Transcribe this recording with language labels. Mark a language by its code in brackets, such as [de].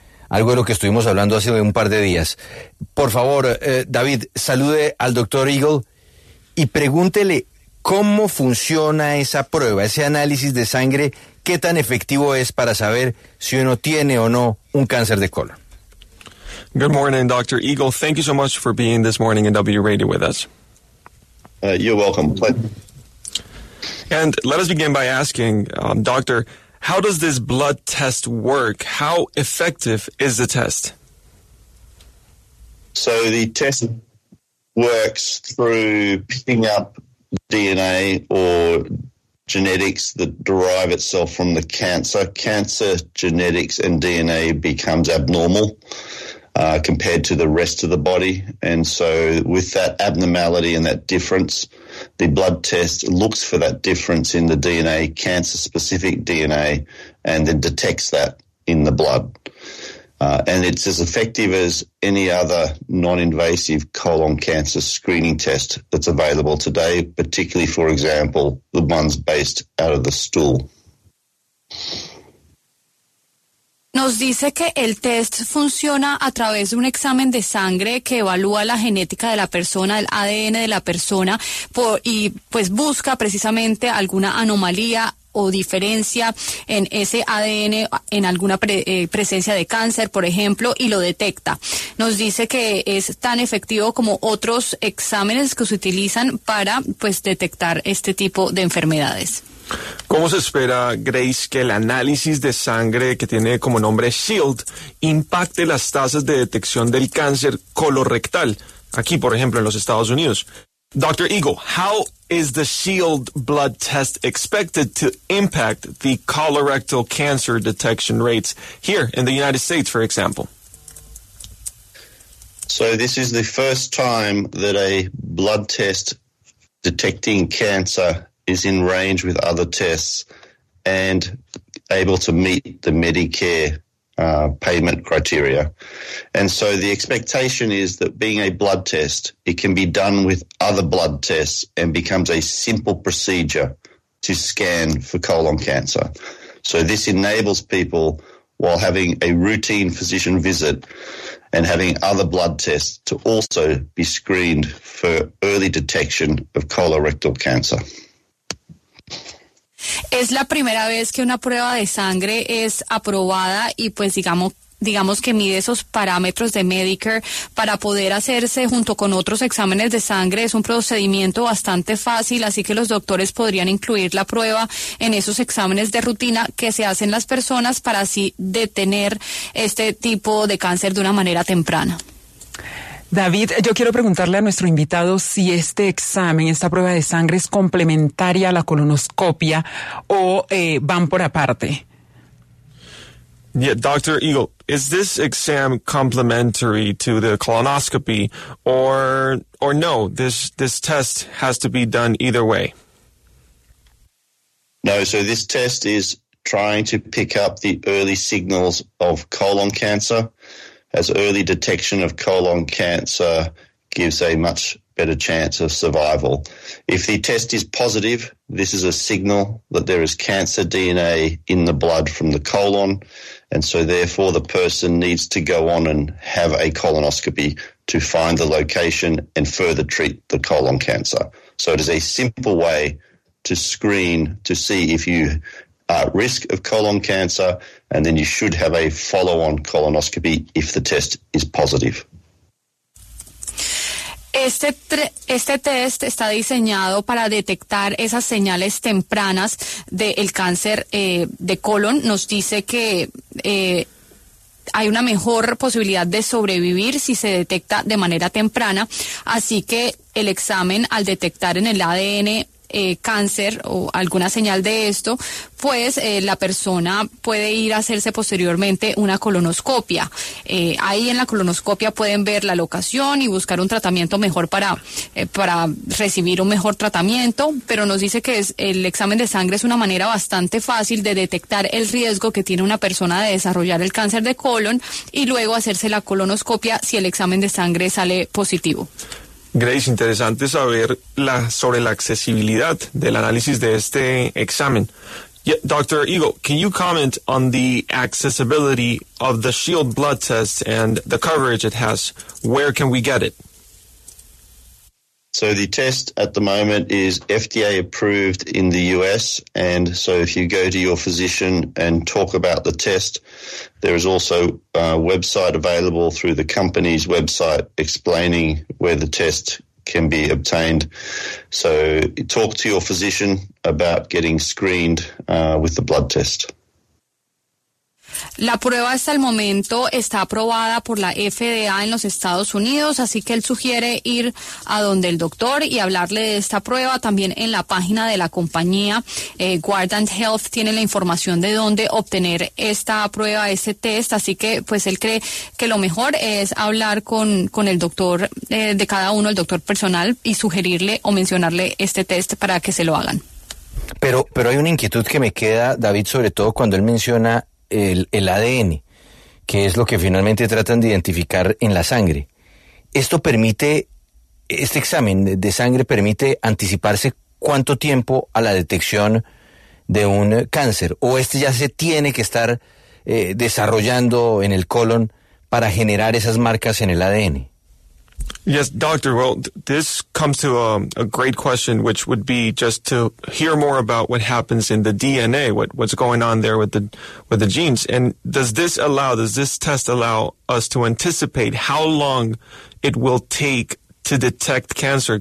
[es] Algo de lo que estuvimos hablando hace un par de días. Por favor, David, salude al doctor Eagle y pregúntele cómo funciona esa prueba, ese análisis de sangre, qué tan efectivo es para saber si uno tiene o no un cáncer de colon. [en] Good morning, Dr. Eagle. Thank you so much for being this morning in W Radio with us. You're welcome. And let us begin by asking, Doctor, how does this blood test work? How effective is the test? So the test works through picking up DNA or genetics that derive itself from the cancer. Cancer genetics and DNA becomes abnormal compared to the rest of the body. And so with that abnormality and that difference, the blood test looks for that difference in the DNA, cancer-specific DNA, and then detects that in the blood. And it's as effective as any other non-invasive colon cancer screening test that's available today, particularly, for example, the ones based out of the stool. [es] Nos dice que el test funciona a través de un examen de sangre que evalúa la genética de la persona, el ADN de la persona, y pues busca precisamente alguna anomalía o diferencia en ese ADN, en alguna presencia de cáncer, por ejemplo, y lo detecta. Nos dice que es tan efectivo como otros exámenes que se utilizan para pues detectar este tipo de enfermedades. ¿Cómo se espera, Grace, que el análisis de sangre que tiene como nombre SHIELD impacte las tasas de detección del cáncer colorrectal, aquí, por ejemplo, en los Estados Unidos? [en] Dr. Eagle, how is the SHIELD blood test expected to impact the colorectal cancer detection rates here in the United States, for example? So this is the first time that a blood test detecting cancer is in range with other tests and able to meet the Medicare payment criteria. And so the expectation is that being a blood test, it can be done with other blood tests and becomes a simple procedure to scan for colon cancer. So this enables people, while having a routine physician visit and having other blood tests, to also be screened for early detection of colorectal cancer. [es] Es la primera vez que una prueba de sangre es aprobada y pues digamos que mide esos parámetros de Medicare para poder hacerse junto con otros exámenes de sangre. Es un procedimiento bastante fácil, así que los doctores podrían incluir la prueba en esos exámenes de rutina que se hacen las personas para así detener este tipo de cáncer de una manera temprana. David, yo quiero preguntarle a nuestro invitado si este examen, esta prueba de sangre, es complementaria a la colonoscopia o van por aparte. [en] Yeah, Dr. Eagle, is this exam complementary to the colonoscopy or no? This test has to be done either way. No, so this test is trying to pick up the early signals of colon cancer, as early detection of colon cancer gives a much better chance of survival. If the test is positive, this is a signal that there is cancer DNA in the blood from the colon, and so therefore the person needs to go on and have a colonoscopy to find the location and further treat the colon cancer. So it is a simple way to screen to see if you are at risk of colon cancer, and then you should have a follow-on colonoscopy if the test is positive. [es] Este test está diseñado para detectar esas señales tempranas del cáncer de colon. Nos dice que hay una mejor posibilidad de sobrevivir si se detecta de manera temprana. Así que el examen, al detectar en el ADN cáncer o alguna señal de esto, pues la persona puede ir a hacerse posteriormente una colonoscopia. Ahí en la colonoscopia pueden ver la locación y buscar un tratamiento mejor para recibir un mejor tratamiento, pero nos dice que el examen de sangre es una manera bastante fácil de detectar el riesgo que tiene una persona de desarrollar el cáncer de colon y luego hacerse la colonoscopia si el examen de sangre sale positivo. Grace, interesante saber sobre la accesibilidad del análisis de este examen. [en] Yeah, Dr. Eagle, can you comment on the accessibility of the Shield blood test and the coverage it has? Where can we get it? So the test at the moment is FDA approved in the US. And so if you go to your physician and talk about the test, there is also a website available through the company's website explaining where the test can be obtained. So talk to your physician about getting screened with the blood test. [es] La prueba hasta el momento está aprobada por la FDA en los Estados Unidos, así que él sugiere ir a donde el doctor y hablarle de esta prueba. También en la página de la compañía, Guardant Health tiene la información de dónde obtener esta prueba, este test, así que pues él cree que lo mejor es hablar con el doctor de cada uno, el doctor personal, y sugerirle o mencionarle este test para que se lo hagan. Pero hay una inquietud que me queda, David, sobre todo cuando él menciona el ADN, que es lo que finalmente tratan de identificar en la sangre. ¿Esto permite, este examen de sangre permite anticiparse cuánto tiempo a la detección de un cáncer? ¿O este ya se tiene que estar desarrollando en el colon para generar esas marcas en el ADN? [en] Yes, doctor. Well, this comes to a great question, which would be just to hear more about what happens in the DNA, what's going on there with the genes. And does this test allow us to anticipate how long it will take to detect cancer?